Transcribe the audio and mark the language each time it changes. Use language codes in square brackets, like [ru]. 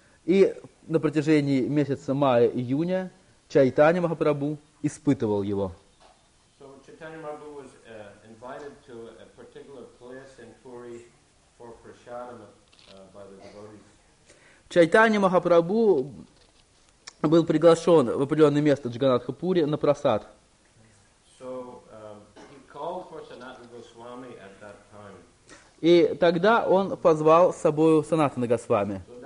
[ru] И на протяжении месяца мая-июня Чайтанья Махапрабху испытывал его. [en] So, Chaitanya Mahaprabhu was invited to a particular place in Puri for prasadam by the devotees. [ru] Чайтанья Махапрабху был приглашен в определенное место Джаганнатхапури на прасад. [en] So, he called for Sanatana Goswami at that time. [ru] И тогда он позвал с собой Санатана Госвами.